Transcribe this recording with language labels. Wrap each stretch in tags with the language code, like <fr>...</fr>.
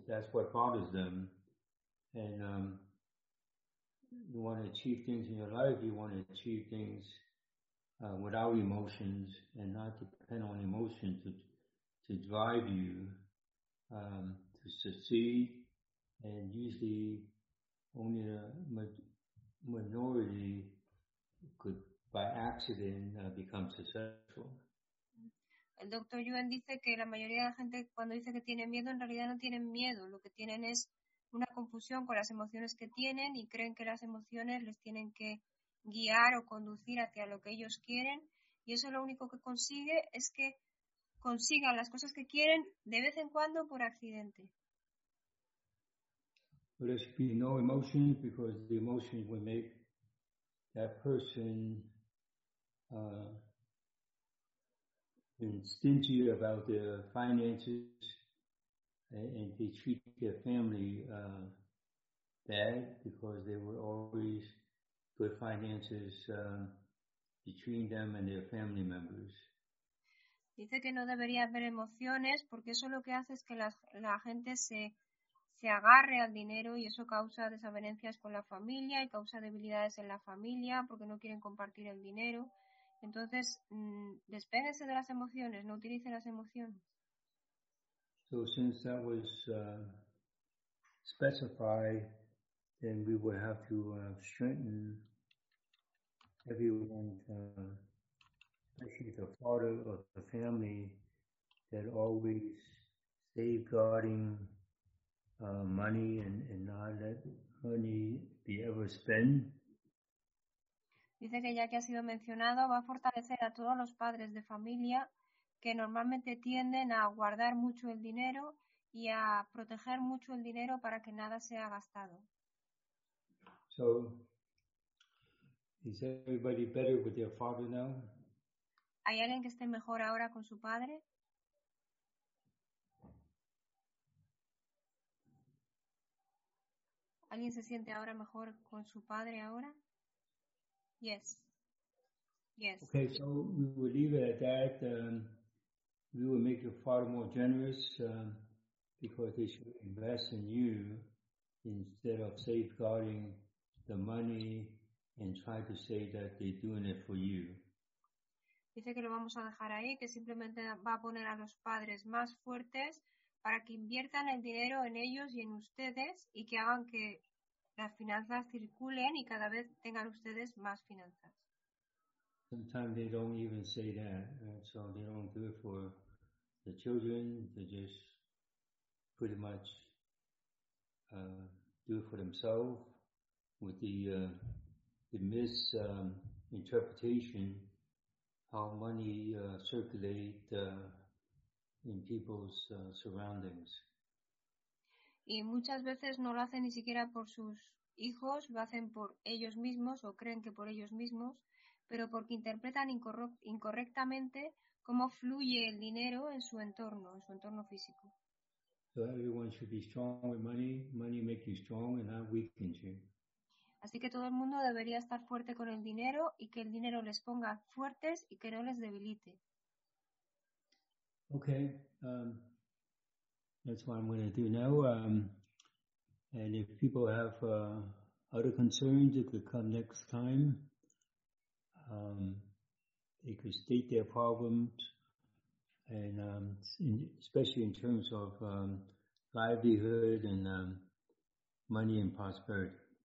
<en>That's what bothers them. And you want to achieve things in your life, you want to achieve things without emotions, and not depend on emotions to drive you to succeed. And usually, only a minority could, by accident, become successful.</en> <es>El doctor Yuen dice que la mayoría de la gente, cuando dice que tiene miedo, en realidad no tienen miedo. Lo que tienen es una confusión con las emociones que tienen y creen que las emociones les tienen que guiar o conducir hacia lo que ellos quieren, y eso lo único que consigue es que consigan las cosas que quieren de vez en cuando por accidente.</es> <en>There should be no emotions, because the emotions will make that person stingy about their finances, and they treat their family bad, because they were always good finances between them and their family members.</en> <es>Dice que no debería haber emociones, porque eso lo que hace es que la gente se agarre al dinero, y eso causa desavenencias con la familia y causa debilidades en la familia porque no quieren compartir el dinero. Entonces, despéguense de las emociones, no utilicen las emociones.</es> <en>So since that was specified, then we would have to strengthen everyone, especially the father or the family, that always safeguarding money and not let money be ever spent.</en> <es>Dice que ya que ha sido mencionado, va a fortalecer a todos los padres de familia que normalmente tienden a guardar mucho el dinero y a proteger mucho el dinero para que nada sea gastado.</es> <en>So, is everybody better with their father now?</en> <es>¿Hay alguien que esté mejor ahora con su padre? ¿Alguien se siente ahora mejor con su padre ahora?</es> <en>Yes. Okay, so we will leave it at that. We will make your father more generous because they should invest in you instead of safeguarding the money and try to say that they're doing it for you.</en> <es>Dice que lo vamos a dejar ahí, que simplemente va a poner a los padres más fuertes para que inviertan el dinero en ellos y en ustedes y que hagan que las finanzas circulen y cada vez tengan ustedes más finanzas.</es> <en>Sometimes they don't even say that, so they don't do it for the children, they just pretty much do it for themselves with the misinterpretation how money circulate in people's surroundings.</en> <es>Y muchas veces no lo hacen ni siquiera por sus hijos, lo hacen por ellos mismos o creen que por ellos mismos, pero porque interpretan incorrectamente cómo fluye el dinero en su entorno físico.</es> <en>So everyone should be strong with money. Money makes you strong and not weakens you.</en> <es>Así que todo el mundo debería estar fuerte con el dinero y que el dinero les ponga fuertes y que no les debilite.</es> <en>Okay, that's what I'm going to do now. And if people have other concerns, they could come next time. They could state their problems, and especially in terms of livelihood and money and prosperity.</en>